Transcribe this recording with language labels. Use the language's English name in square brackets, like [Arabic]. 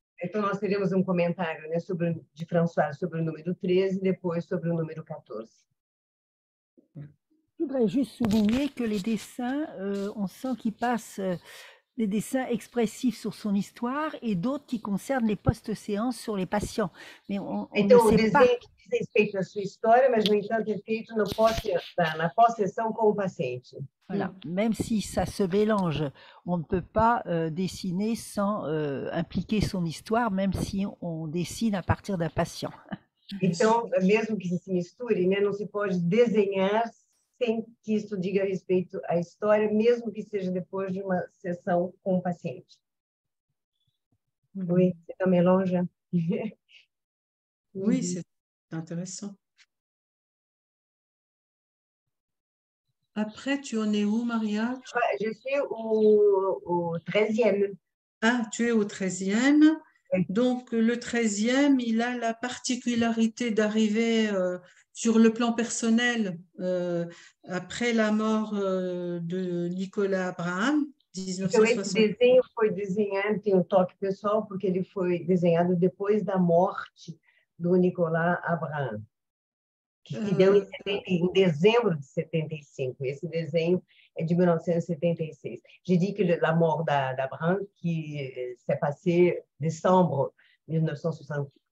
[French] Et donc, nous aurons un commentaire, [Portuguese] né, sobre, [French] de François sur le numéro 13, et puis sur le numéro 14. Je voudrais juste souligner que les dessins, on sent qu'ils passent. Des dessins expressifs sur son histoire et d'autres qui concernent les post-séances sur les patients. Mais on ne sait pas. [Portuguese] Então, o desenho que diz respeito à sua história, mas no entanto é feito no na pós-sessão com o paciente. [French] Voilà. Même si ça se mélange, on ne peut pas dessiner sans impliquer son histoire, même si on dessine à partir d'un patient. [Portuguese] Então, mesmo que se misture, né, não se pode desenhar sem que isso diga respeito à história, mesmo que seja depois de uma sessão com o paciente. [French] Oui, c'est un mélange. Oui, c'est intéressant. Après, tu en es où, Maria? Je suis au 13e. Ah, tu es au 13e. Donc, le 13e, il a la particularité d'arriver sur le plan personnel après la mort de Nicolas Abraham. [Portuguese] Então, esse desenho foi desenhado, tem um toque pessoal, porque ele foi desenhado depois da morte do Nicolas Abraham, que deu em dezembro de 75. Esse desenho é de 1976. [French] Je dis que la mort d'Abraham, que s'est passé décembre 1975.